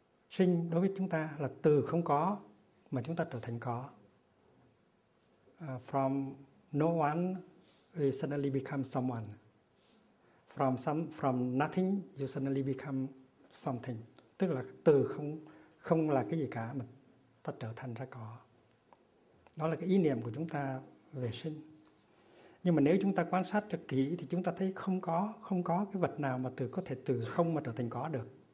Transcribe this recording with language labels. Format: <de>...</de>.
<vi>Sinh đối với chúng ta là từ không có mà chúng ta trở thành có.</vi> <en>From no one, we suddenly become someone. From nothing, you suddenly become something.</en> <vi>Tức là từ không là cái gì cả mà ta trở thành ra có. Đó là cái ý niệm của chúng ta về sinh. Nhưng mà nếu chúng ta quan sát rất kỹ thì chúng ta thấy không có cái vật nào mà có thể từ không mà trở thành có được.</vi>